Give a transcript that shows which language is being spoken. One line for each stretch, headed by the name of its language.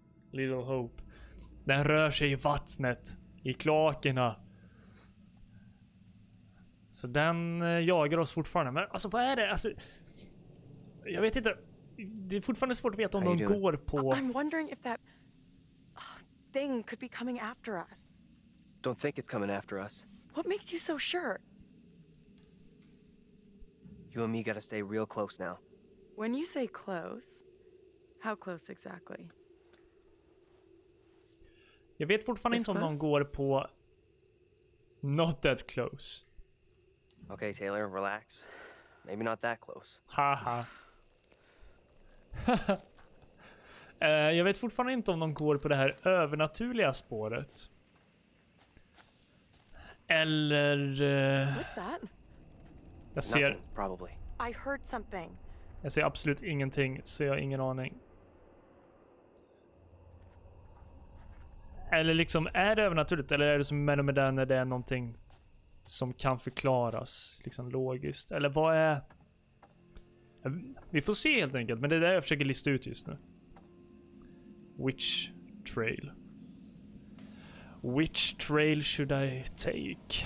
Swedish: Little Hope. Den rör sig i vattnet. I kloakerna. Så den jagar oss fortfarande. Men alltså vad är det? Alltså, jag vet inte. Det är fortfarande svårt att veta om de går på.
English: I'm wondering if that thing could be coming after us. Don't think it's coming after us. What makes you so sure? You and me gotta stay real close now. When you say close, how close exactly?
Swedish: Jag vet fortfarande inte om de går på.
English: Not that close. Okay, Taylor, relax. Maybe not that close. Haha.
Swedish: jag vet fortfarande inte om de går på det här övernaturliga spåret. Eller
English: what's that?
Swedish: Jag ser
English: nothing, probably. I heard something.
Swedish: Jag ser absolut ingenting, så jag har ingen aning. Eller liksom är det övernaturligt eller är det som med den när det är någonting som kan förklaras liksom logiskt eller vad är. Vi får se helt enkelt, men det är det jag försöker lista ut just nu.
English: Which trail? Which trail should I take?